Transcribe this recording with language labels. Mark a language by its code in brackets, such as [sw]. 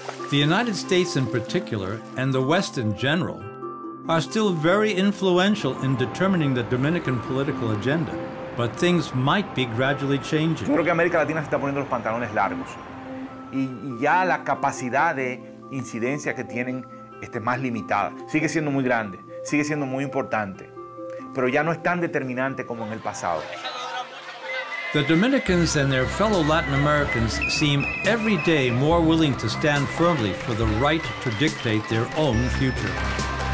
[en] The United States in particular, and the West in general, are still very influential in determining the Dominican political agenda, but things might be gradually changing. [es] Yo creo que América Latina se está poniendo los pantalones largos. Y ya la capacidad de incidencia que tienen esté más limitada. Sigue siendo muy grande, sigue siendo muy importante, pero ya no es tan determinante como en el pasado. [en] The Dominicans and their fellow Latin Americans seem every day more willing to stand firmly for the right to dictate their own future.